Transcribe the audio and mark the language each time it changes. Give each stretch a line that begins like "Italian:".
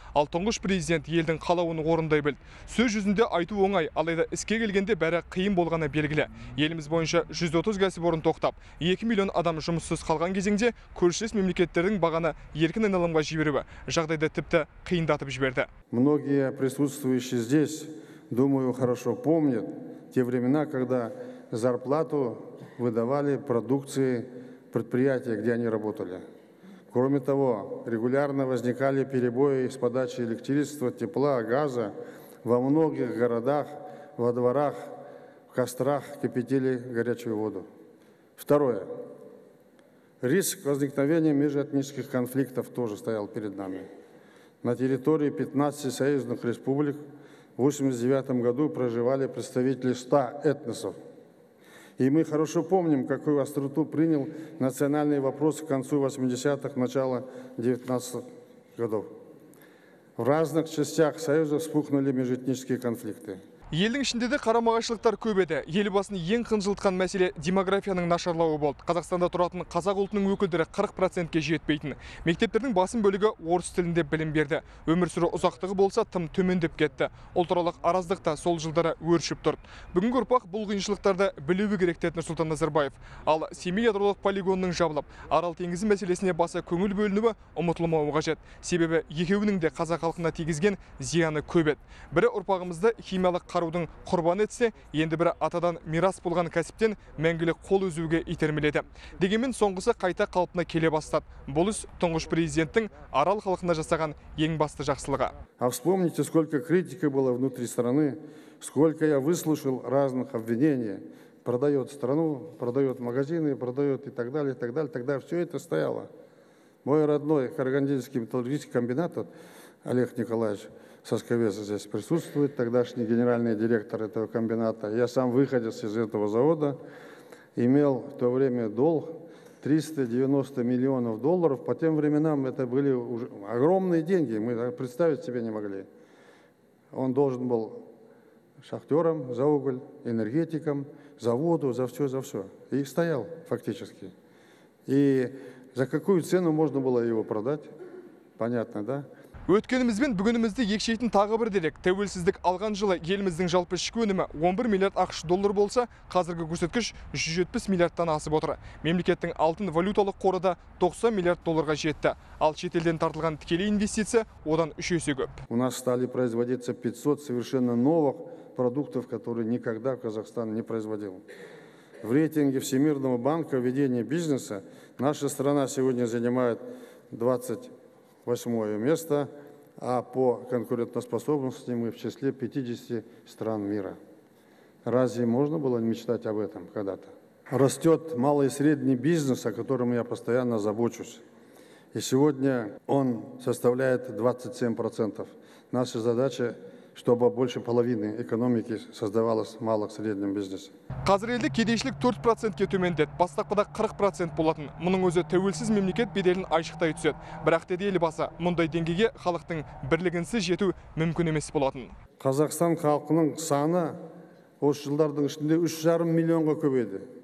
Kazakh: Ал тұңғыш президент елдің қалауын орындай білді. Сөз жүзінде айту оңай, алайда іске келгенде бәрі қиын болғаны белгілі. Еліміз бойынша 130 кәсіпорын тоқтап, 2 миллион адам жұмыссыз қалған кезеңде көршілес мемлекеттердің бағаны еркін айналымға жіберуі жағдайды тіпті қиындатып жіберді.
Russian: Многие присутствующие здесь, думаю, хорошо помнят те времена, когда зарплату выдавали продукции предприятия, где они работали. Кроме того, регулярно возникали перебои с подачей электричества, тепла, газа. Во многих городах, во дворах, в кострах кипятили горячую воду. Второе. Риск возникновения межэтнических конфликтов тоже стоял перед нами. На территории 15 союзных республик в 89 году проживали представители 100 этносов. И мы хорошо помним, какую остроту принял национальный вопрос к концу 80-х, начало 19-х годов. В разных частях Союза вспыхнули межэтнические конфликты.
Kazakh: Елдің ішінде де қарама-қайшылықтар көп еді. Елбасын ең қынжылтқан мәселе демографияның нашарлауы болды. Қазақстанда тұратын қазақ ұлтының өкілдері 40%-ке жетпейтін. Мектептердің басым бөлігі орыс тілінде білім берді. Өмір сүру ұзақтығы болса тым төмендеп кетті. Ұлтаралық араздық та сол жылдары өршіп тұрды. Бүгінгі ұрпақ бұл қиыншылықтарды білуі керек, деді Нұрсұлтан Назарбаев. Ал Семей ядролық полигонының жабылып, Арал теңізі мәселесіне баса көңіл бөлінуі ұмытылмауы қажет. Себебі екеуінің де қазақ халқына тигізген зияны көп еді. Бірі ұрпағымызды химиялық қарудың құрбаны етсе, енді бірі атадан мирас болған кәсіптен мәңгілік қол үзуге итермеледі. Дегенмен соңғысы қайта қалпына келе бастады. Бұл іс тұңғыш президенттің Арал халқына жасаған ең басты жақсылығы.
Russian: А вспомните, сколько критики было внутри страны, сколько я выслушал разных обвинений. Продает страну, продает магазины, продает и так далее, и так далее. Тогда все это стояло. Мой родной Карагандинский металлургический комбинат, Олег Николаевич Сосковец здесь присутствует, тогдашний генеральный директор этого комбината. Я сам выходец из этого завода, имел в то время долг 390 миллионов долларов. По тем временам это были уже огромные деньги, мы представить себе не могли. Он должен был шахтерам за уголь, энергетикам, за воду, за все и стоял фактически. И за какую цену можно было его продать, понятно, да?
Kazakh: Өткеніміз бен бүгінімізді екшейтін тағы бір дерек. Тәуелсіздік алған жылы еліміздің жалпы ішкі өнімі 11 миллиард ақш доллар болса, қазіргі көрсеткіш 170 миллиардтан асып отыр. Мемлекеттің алтын валюталық қоры да 90 миллиард долларға жетті. Ал шетелден тартылған тікелей инвестиция одан үш есе көп.
Russian: У нас стали производиться 500 совершенно новых продуктов, которые никогда в Казахстан не производил. В рейтинге Всемирного банка ведения бизнеса наша страна сегодня занимает 28 место, а по конкурентоспособности мы в числе 50 стран мира. Разве можно было мечтать об этом когда-то? Растет малый и средний бизнес, о котором я постоянно забочусь. И сегодня он составляет 27%. Наша задача, чтобы больше половины экономики создавалось малых и средних бизнесов.
Kazakh: Қазір елде кедейшілік 4%-ке төмендеді, бастапқыда 40% болатын. Мұның өзі тәуелсіз мемлекет беделін айшықтай түседі. Бірақ деді елбасы, мұндай деңгейге халықтың бірлігінсіз жету мүмкін емес болатын. Қазақстан халқының саны осы жылдардың ішінде 3,5 миллионға көбейді.